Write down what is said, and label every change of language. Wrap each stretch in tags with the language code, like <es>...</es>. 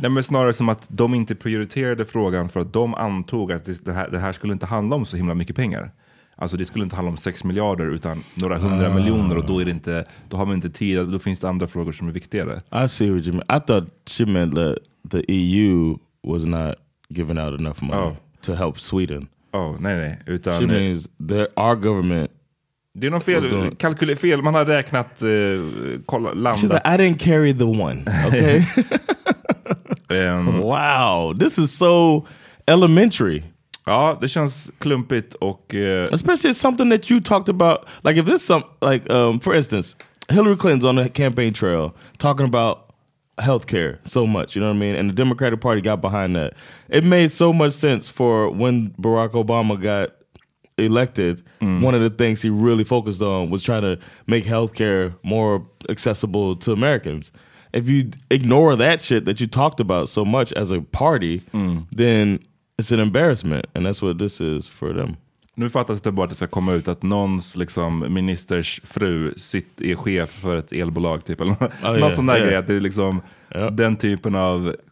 <sv>Nej, men snarare som att de inte prioriterade frågan för att de antog att det här skulle inte handla om så himla mycket pengar. Alltså det skulle inte handla om 6 miljarder utan några hundra miljoner, och då har vi inte tid, då finns det andra frågor som är viktigare.</sv> <en>I see what you mean. I thought she meant that the EU was not giving out enough money to help Sweden.</en> <sv>Oh, nej. Utan,</sv> <en>she means that our government...</en> <sv>Det är någon fel, kalkylerat fel. Man har räknat, kolla, landat.</sv> <en>She's like, I didn't carry the one, okay? wow, this is so elementary.</en> <sv>Ja, det känns klumpigt och...</sv> <en>Especially it's something that you talked about. Like, if this some, like, for instance, Hillary Clinton's on the campaign trail talking about healthcare so much, you know what I mean? And the Democratic Party got behind that. It made so much sense for when Barack Obama got elected, one of the things he really focused on was trying to make healthcare more accessible to Americans. If you ignore that shit that you talked about so much as a party, then it's an embarrassment, and that's what this is for them.</en> <sv>Nu fattas det bara att det ska komma ut att någons liksom ministers fru är chef för ett elbolag typ, eller något sånt där grej, att det är liksom den typen av</sv>